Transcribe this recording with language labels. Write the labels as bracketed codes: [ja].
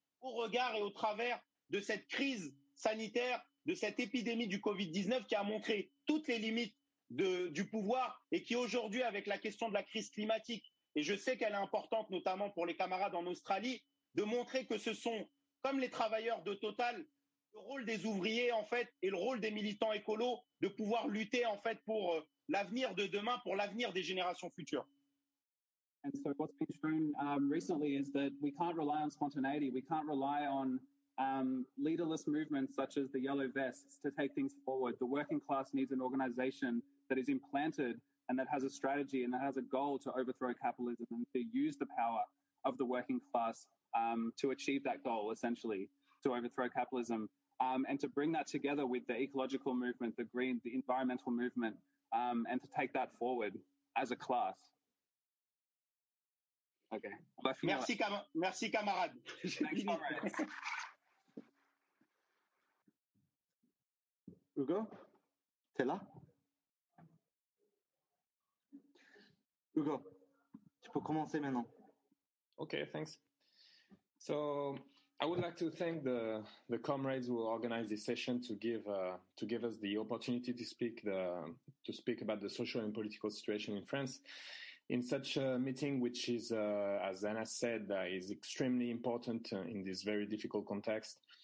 [fr] au regard et au travers de cette crise sanitaire, de cette épidémie du Covid-19 qui a montré toutes les limites du pouvoir et qui aujourd'hui, avec la question de la crise climatique, et je sais qu'elle est importante notamment pour les camarades en Australie, de montrer que ce sont, comme les travailleurs de Total, le rôle des ouvriers en fait et le rôle des militants écolos de pouvoir lutter en fait pour l'avenir de demain, pour l'avenir des générations futures. [en] And so what's been shown recently is that we can't rely on spontaneity, we can't rely on leaderless movements such as the Yellow Vests to take things forward. The working class needs an organization that is implanted and that has a strategy and that has a goal to overthrow capitalism and to use the power of the working class to achieve that goal, essentially, to overthrow capitalism and to bring that together with the ecological movement, the green, the environmental movement, and to take that forward as a class. Okay. [fr] Merci, merci, camarade. Hugo, t'es là? Hugo, tu peux commencer maintenant. [en] Okay, thanks. So I would like to thank the comrades who organized this session to give us the opportunity to speak about the social and political situation in France. In such a meeting, which is, as Anna said, is extremely important in this very difficult context.